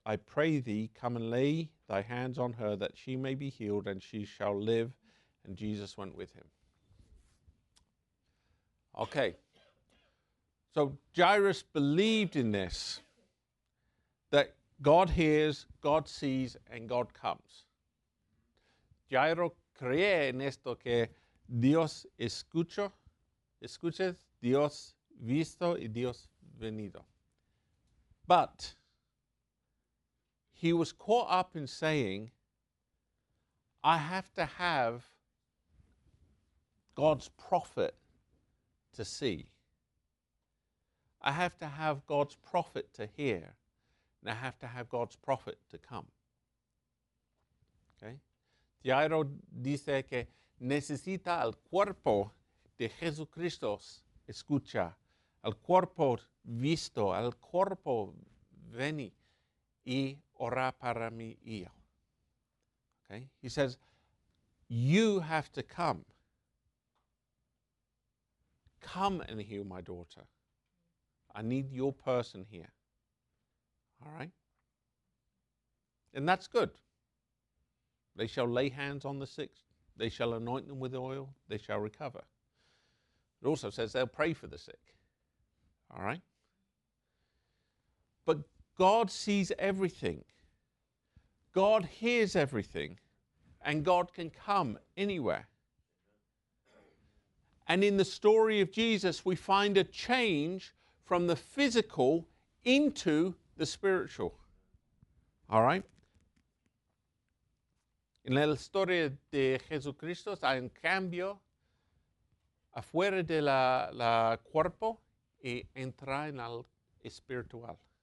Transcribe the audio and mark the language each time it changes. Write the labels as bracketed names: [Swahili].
[English] I pray thee, come and lay thy hands on her, that she may be healed, and she shall live. And Jesus went with him. Okay. So Jairus believed in this, that God hears, God sees, and God comes. [Spanish] Jairo cree en esto que Dios escucha, Dios visto y Dios venido. [English] But he was caught up in saying, I have to have God's prophet to see. I have to have God's prophet to hear. And I have to have God's prophet to come. Okay? [Spanish] Jairo dice que necesita el cuerpo de Jesucristo escucha, el cuerpo visto, el cuerpo Veni y ora para mi hijo. [English] Okay? He says, you have to come. Come and heal my daughter. I need your person here. All right? And that's good. They shall lay hands on the sick. They shall anoint them with oil. They shall recover. It also says they'll pray for the sick. All right? But God sees everything. God hears everything. And God can come anywhere. And in the story of Jesus, we find a change from the physical into the spiritual. All right? [Spanish] En la historia de Jesucristo hay un cambio afuera de la cuerpo y entra en el espiritual.